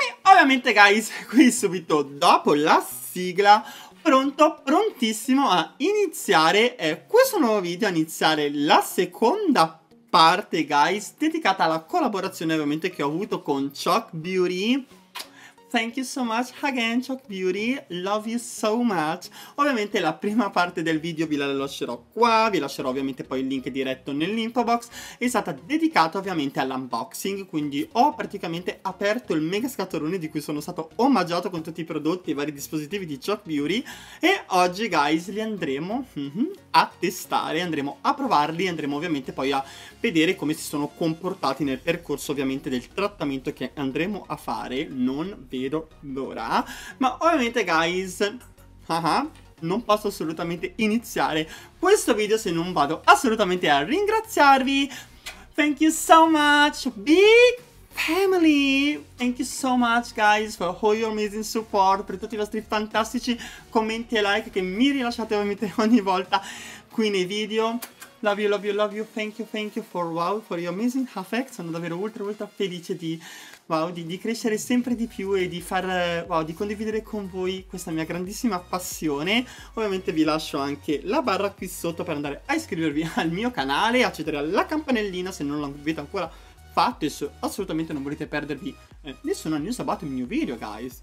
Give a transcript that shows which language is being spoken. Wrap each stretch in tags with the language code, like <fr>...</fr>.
<it>Ovviamente, guys, qui subito dopo la sigla, prontissimo a iniziare questo nuovo video, a iniziare la seconda parte, guys, dedicata alla collaborazione, ovviamente, che ho avuto con Choc Beauty.</it> <en>Thank you so much again, Choc Beauty, love you so much.</en> <it>Ovviamente la prima parte del video vi la lascerò qua, vi lascerò ovviamente poi il link diretto nell'info box. È stata dedicata ovviamente all'unboxing, quindi ho praticamente aperto il mega scatolone di cui sono stato omaggiato con tutti i prodotti e i vari dispositivi di Choc Beauty. E oggi, guys, li andremo a testare, andremo a provarli, andremo ovviamente poi a vedere come si sono comportati nel percorso ovviamente del trattamento che andremo a fare, non vedo l'ora. Ma ovviamente, guys, non posso assolutamente iniziare questo video se non vado assolutamente a ringraziarvi.</it> <en>Thank you so much, big family, thank you so much, guys, for all your amazing support,</en> <it>per tutti i vostri fantastici commenti e like che mi rilasciate ovviamente ogni volta qui nei video.</it> <en>Love you, love you, love you, thank you for wow, for your amazing affect.</en> <it>Sono davvero ultra felice di wow, di crescere sempre di più e di far wow, di condividere con voi questa mia grandissima passione. Ovviamente vi lascio anche la barra qui sotto per andare a iscrivervi al mio canale, accedere alla campanellina se non l'avete ancora fatto e se assolutamente non volete perdervi nessuna news about il mio video, guys.</it>